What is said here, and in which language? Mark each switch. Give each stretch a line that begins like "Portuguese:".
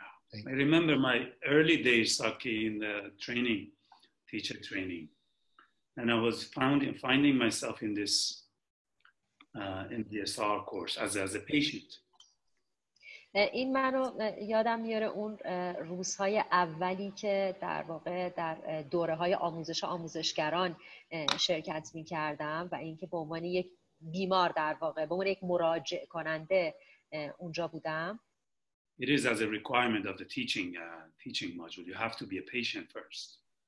English: I remember my early days Saki in the training, teacher training, and I was finding myself in this MBSR course as a patient.
Persian: این منو یادم میاره اون روزهای اولی که در واقع در دوره های آموزش آموزشگران شرکت می کردم و اینکه به عنوان یک بیمار در واقع به عنوان یک مراجع کننده اونجا بودم.
English: It is as a requirement of the teaching module. You have to be a patient first.